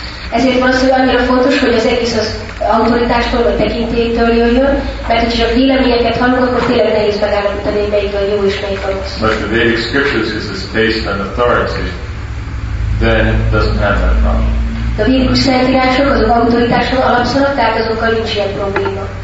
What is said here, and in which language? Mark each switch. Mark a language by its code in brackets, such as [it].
[hu] Ezért van szó, hogy annyira fontos, hogy az egész az autoritástól vagy tekintélytől jöjjön, mert hogyha a véleményeket hallunk, akkor tényleg nehéz megállapítani, hogy melyik van jó és melyik rossz. [en] But the Vedic scriptures is based on authority, then it doesn't have that problem. [hu] De a védikus szentírások azok autoritáson alapszanak, tehát azokkal nincs ilyen probléma.